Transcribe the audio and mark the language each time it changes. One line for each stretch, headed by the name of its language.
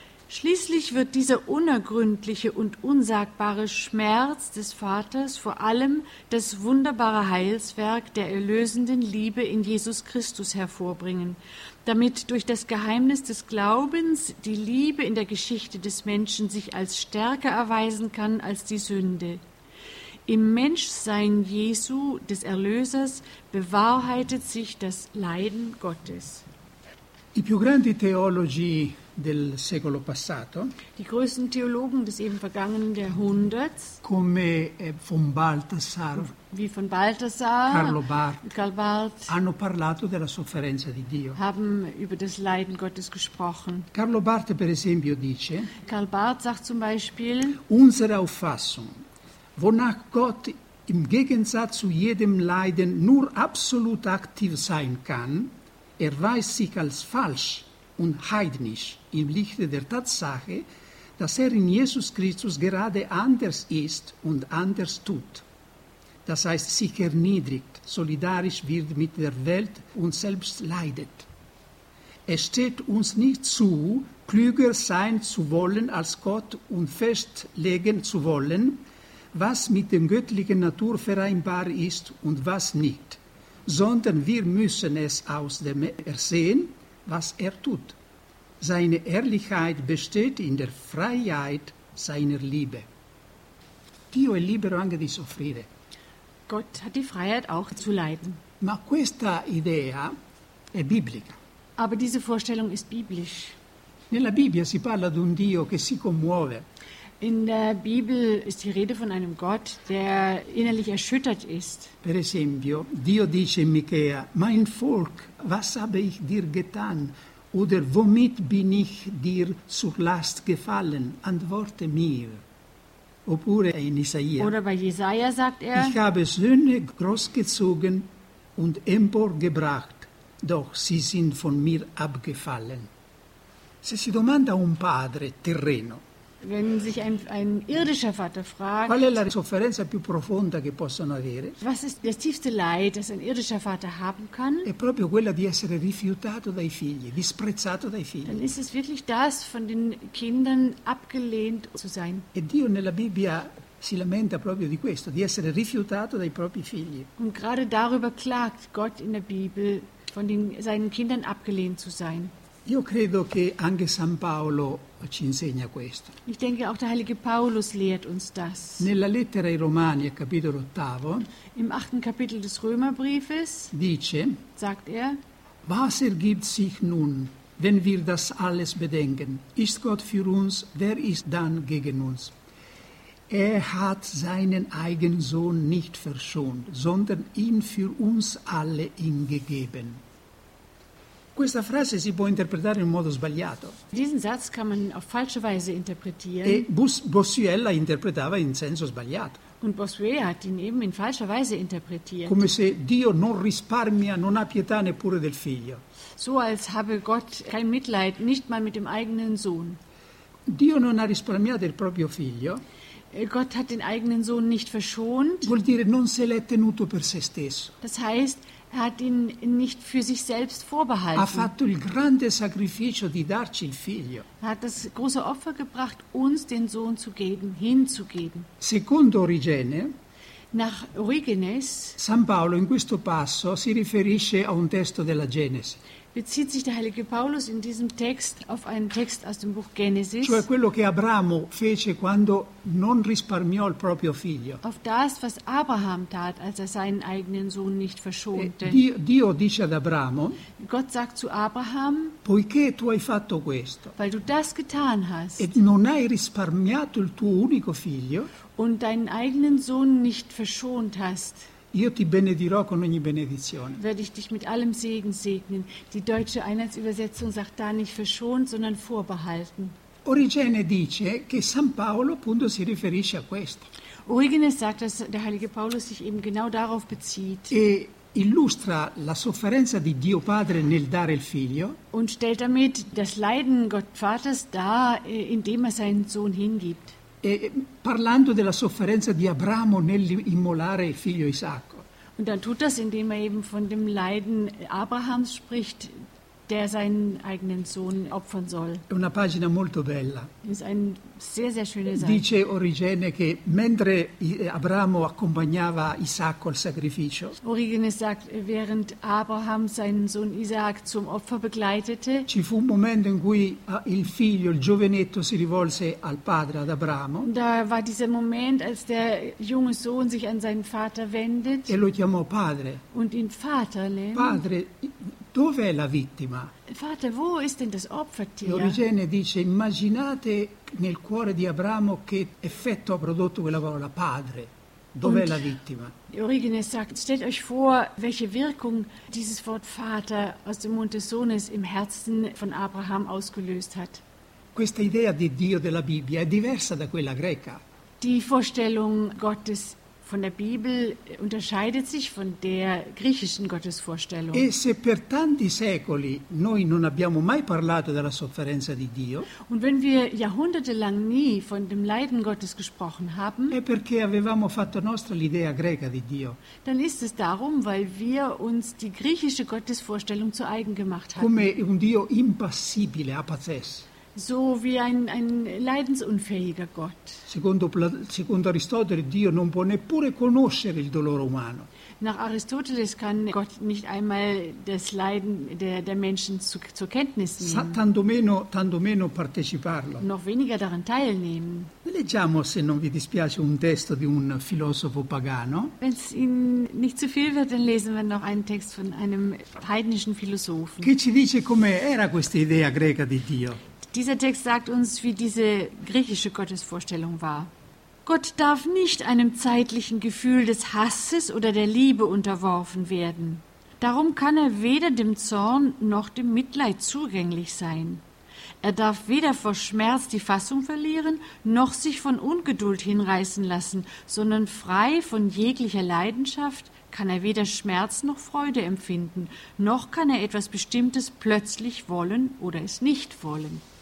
German: Schließlich wird dieser unergründliche und unsagbare Schmerz des Vaters vor allem das wunderbare Heilswerk der erlösenden Liebe in Jesus Christus hervorbringen, damit durch das Geheimnis des Glaubens die Liebe in der Geschichte des Menschen sich als stärker erweisen kann als die Sünde. Im Menschsein Jesu, des Erlösers, bewahrheitet sich das Leiden Gottes.
Italian: I più grandi teologi del secolo passato,
German: die größten Theologen des eben vergangenen Jahrhunderts,
Italian: come von Balthasar,
German: wie von Balthasar,
Italian: Carlo Barth,
German: Karl Barth,
Italian: hanno parlato della sofferenza di Dio.
German: Haben über das Leiden Gottes gesprochen.
Italian: Carlo Barth, per esempio, dice,
German: Karl Barth sagt zum Beispiel, unsere Auffassung, wonach Gott im Gegensatz zu jedem Leiden nur absolut aktiv sein kann, erweist sich als falsch und heidnisch im Lichte der Tatsache, dass in Jesus Christus gerade anders ist und anders tut. Das heißt, sich erniedrigt, solidarisch wird mit der Welt und selbst leidet. Es steht uns nicht zu, klüger sein zu wollen als Gott und festlegen zu wollen, was mit der göttlichen Natur vereinbar ist und was nicht, sondern wir müssen es aus dem Ersehen, was tut. Seine Ehrlichkeit besteht in der Freiheit seiner Liebe.
Italian: Dio è libero anche di soffrire.
German: Gott hat die Freiheit auch zu leiden.
Italian: Ma questa idea è biblica.
German: Aber diese Vorstellung ist biblisch.
Italian: Nella Bibbia si parla di un Dio che si commuove.
German: In der Bibel ist die Rede von einem Gott, der innerlich erschüttert ist.
Italian: Per esempio, Dio dice in Michea:
German: Mein Volk, was habe ich dir getan? Oder womit bin ich dir zur Last gefallen? Antworte mir.
Italian: Oppure in Isaia.
German: Oder bei Jesaja sagt er: Ich habe Söhne großgezogen und emporgebracht, doch sie sind von mir abgefallen.
Italian: Se si domanda un padre terreno,
German: wenn sich ein irdischer Vater fragt,
Italian: qual è la sofferenza più profonda che possono avere?
German: Was ist das tiefste Leid, das ein irdischer Vater haben kann?
Italian: È proprio quella di essere rifiutato dai figli, disprezzato dai figli.
German: Dann ist es wirklich das, von den Kindern abgelehnt zu sein.
Italian: E Dio nella Bibbia si lamenta proprio di questo, di essere rifiutato dai propri figli.
German: Und gerade darüber klagt Gott in der Bibel, von seinen Kindern abgelehnt zu sein.
Italian: Io credo che anche San Paolo ci insegna questo.
German: Ich denke, auch der heilige Paulus lehrt uns das.
Italian: Nella lettera ai Romani, al capitolo ottavo,
German: im achten Kapitel des Römerbriefes,
Italian: dice,
German: sagt er, was ergibt sich nun, wenn wir das alles bedenken? Ist Gott für uns, wer ist dann gegen uns? Er hat seinen eigenen Sohn nicht verschont, sondern ihn für uns alle hingegeben.
Italian: Questa frase si può interpretare in modo sbagliato.
German: Diesen Satz kann man auf falsche Weise interpretieren.
Italian: E Bossuet la interpretava in senso sbagliato.
German: Und Bossuet hat ihn eben in falscher Weise interpretiert.
Italian: Come se Dio non risparmia, non ha pietà neppure del figlio.
German: So als habe Gott kein Mitleid, nicht mal mit dem eigenen Sohn.
Italian: Dio non ha risparmiato il proprio figlio.
German: Gott hat den eigenen Sohn nicht verschont.
Italian: Vuol dire non se l'è tenuto per se stesso.
German: Das heißt, er hat ihn nicht für sich selbst vorbehalten.
Italian: Ha fatto il grande sacrificio di darci il figlio.
German: Er hat das große Opfer gebracht, uns den Sohn zu geben, hinzugeben.
Italian: Secondo Origene,
German: nach Origenes,
Italian: San Paolo in questo passo si riferisce a un testo della Genesi.
German: Bezieht sich der heilige Paulus in diesem Text auf einen Text aus dem Buch Genesis?
Italian: Cioè quello che Abramo fece quando non risparmiò il proprio figlio.
German: Auf das, was Abraham tat, als er seinen eigenen Sohn nicht verschonte.
Italian: Dio dice ad Abramo,
German: Gott sagt zu Abraham,
Italian: poiché tu hai fatto questo,
German: weil du das getan hast,
Italian: e non hai risparmiato il tuo unico figlio,
German: und deinen eigenen Sohn nicht verschont hast,
Italian: io ti benedirò con ogni benedizione.
German: Werde ich dich mit allem Segen segnen. Die deutsche Einheitsübersetzung sagt da nicht verschont, sondern vorbehalten.
Italian: Origene dice che San Paolo appunto si riferisce a questo.
German: Origenes sagt, dass der heilige Paulus sich eben genau darauf bezieht.
Italian: E illustra la sofferenza di Dio Padre nel dare il figlio.
German: Und stellt damit das Leiden Gott Vaters dar, indem er seinen Sohn hingibt.
Italian: E parlando della sofferenza di Abramo nell'immolare il figlio Isacco.
German: Und dann tut das, indem er eben von dem Leiden Abrahams spricht, der seinen eigenen Sohn opfern soll.
Italian: È una pagina molto bella.
German: Ist ein sehr, sehr schöne Seite.
Italian: Dice Origene che mentre Abramo accompagnava Isacco al sacrificio.
German: Origene sagt, während Abraham seinen Sohn Isaac zum Opfer begleitete.
Italian: Ci fu un momento in cui il figlio, il giovanetto, si rivolse al padre, ad Abramo.
German: Da war dieser Moment, als der junge Sohn sich an seinen Vater wendet.
Italian: E lo chiamò padre.
German: Und ihn Vater nennt.
Italian: Padre, dov'è la vittima?
German: Vater, wo ist denn das Opfertier?
Italian: E Origene dice, immaginate nel cuore di Abramo che effetto ha prodotto quella parola, padre, dov'è la vittima?
German: Origene sagt, stellt euch vor, welche Wirkung dieses Wort Vater aus dem Mund des Sohnes im Herzen von Abraham ausgelöst hat.
Italian: Questa idea di Dio della Bibbia è diversa da quella greca.
German: Die Vorstellung Gottes von der Bibel unterscheidet sich von der griechischen Gottesvorstellung.
Italian: E se per tanti secoli noi non abbiamo mai parlato della sofferenza di Dio,
German: und wenn wir jahrhundertelang nie von dem Leiden Gottes gesprochen haben,
Italian: è perché avevamo fatto nostra l'idea greca di Dio.
German: Dann ist es darum, weil wir uns die griechische Gottesvorstellung zu eigen gemacht haben.
Italian: Come un Dio impassibile, apathes.
German: So wie ein leidensunfähiger Gott.
Italian: Secondo Aristotele, Dio non può neppure conoscere il dolore umano.
German: Nach Aristoteles kann Gott nicht einmal das Leiden der Menschen zur Kenntnis nehmen.
Italian: Tanto meno parteciparlo.
German: Noch weniger daran teilnehmen.
Italian: Leggiamo, se non vi dispiace, un testo di un filosofo pagano.
German: Wenn es Ihnen nicht zu viel wird, dann lesen wir noch einen Text von einem heidnischen Philosophen.
Italian: Che ci dice come era questa idea greca di Dio.
German: Dieser Text sagt uns, wie diese griechische Gottesvorstellung war. Gott darf nicht einem zeitlichen Gefühl des Hasses oder der Liebe unterworfen werden. Darum kann er weder dem Zorn noch dem Mitleid zugänglich sein. Er darf weder vor Schmerz die Fassung verlieren, noch sich von Ungeduld hinreißen lassen, sondern frei von jeglicher Leidenschaft kann er weder Schmerz noch Freude empfinden, noch kann er etwas Bestimmtes plötzlich wollen oder es nicht wollen.